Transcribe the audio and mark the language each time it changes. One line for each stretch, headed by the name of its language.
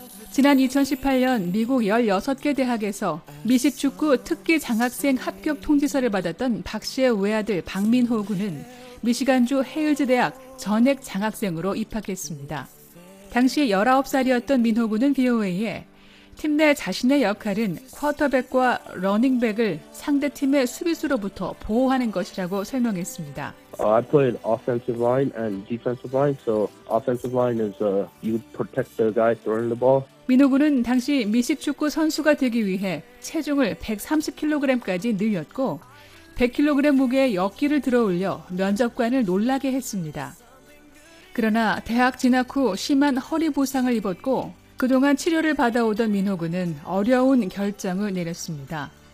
Korean: 지난 2018년 미국 16개 대학에서 미식축구 특기 장학생 합격 통지서를 받았던 박 씨의 외아들 박민호 군은 미시간주 헤일즈 대학 전액 장학생으로 입학했습니다. 당시 19살이었던 민호 군은 VOA에 팀 내 자신의 역할은 쿼터백과 러닝백을 상대 팀의 수비수로부터 보호하는 것이라고 설명했습니다.
English: I played offensive line and defensive line. So offensive line is you protect the guy throwing the ball.
Korean: 민호 군은 당시 미식축구 선수가 되기 위해 체중을 130kg까지 늘렸고 100kg 무게의 역기를 들어올려 면접관을 놀라게 했습니다. 그러나 대학 진학 후 심한 허리 부상을 입었고 그동안 치료를 받아오던 민호 군은 어려운 결정을 내렸습니다.